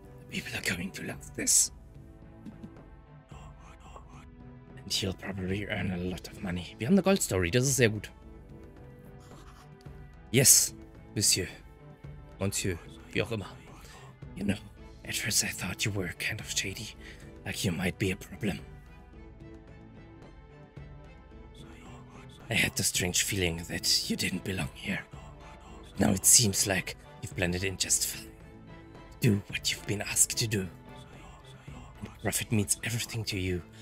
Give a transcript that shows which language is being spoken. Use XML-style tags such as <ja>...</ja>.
<en>People are going to love this. And he'll probably earn a lot of money.</en> <de>Wir haben eine Gold Story, das ist sehr gut.</de> <en>Yes, Monsieur.</en> <de>Monsieur, wie auch immer.</de> <en>You know, at first I thought you were kind of shady. Like you might be a problem. I had the strange feeling that you didn't belong here. Now it seems like you've blended in just fine. Do what you've been asked to do. Profit means everything to you.</en>